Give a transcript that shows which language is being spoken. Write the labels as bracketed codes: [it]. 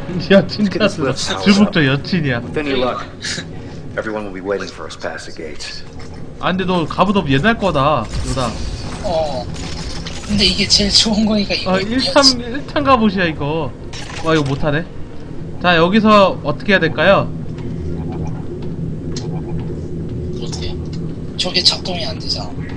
[ko] 여친가 주부터 여친이야. [en] With any luck, everyone will be waiting for us past the gates. [ko] 아, 근데 너 갑옷 옛날 거다. 누나. 어. 근데 이게 제일 좋은 거니까 이거. 아, 1탄 1탄 갑옷이야 이거. 와, 이거 못하네. 자, 여기서 어떻게 해야 될까요? 어떻게? 저게 작동이 안 되잖아.